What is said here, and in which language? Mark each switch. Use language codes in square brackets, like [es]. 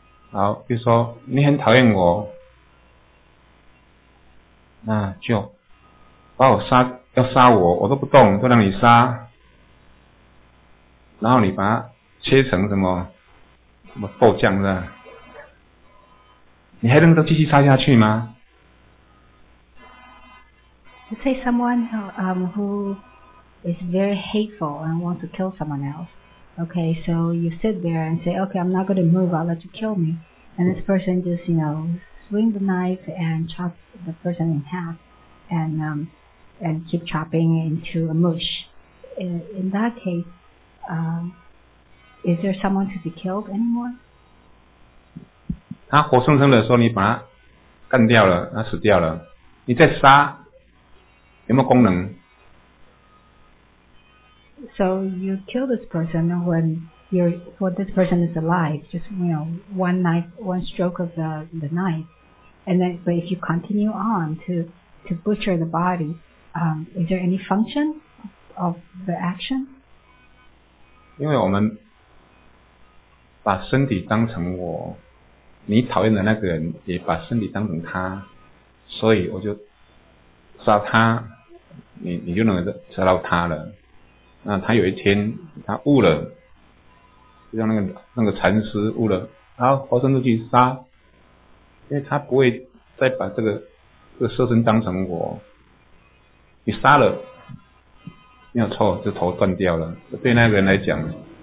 [zh] 好，比如说你很讨厌我，那就把我杀，要杀我，我都不动，都让你杀，然后你把它切成什么豆酱是吧？你还能够继续杀下去吗？ [en] You say someone who is very hateful and wants to kill someone else. Okay, so you sit there and say, okay, I'm not going to move, I'll let you kill me. And this person just, you know, swing the knife and chop the person in half and keep chopping into a mush. In that case, is there someone to be killed anymore? [zh] 他活生生的说你把他干掉了，他死掉了，你再杀有没有功能？ [en] So you kill this person when this person is alive, just, you know, one stroke of the knife, and then, but if you continue on to butcher the body, is there any function of the action? [zh] 因为我们把身体当成我，你讨厌的那个人也把身体当成他，所以我就杀他。你就能杀到他了，那他有一天他悟了，就像那个禅师悟了，然后活生生去杀，因为他不会再把这个色身当成我，你杀了没有错，这头断掉了，对那个人来讲，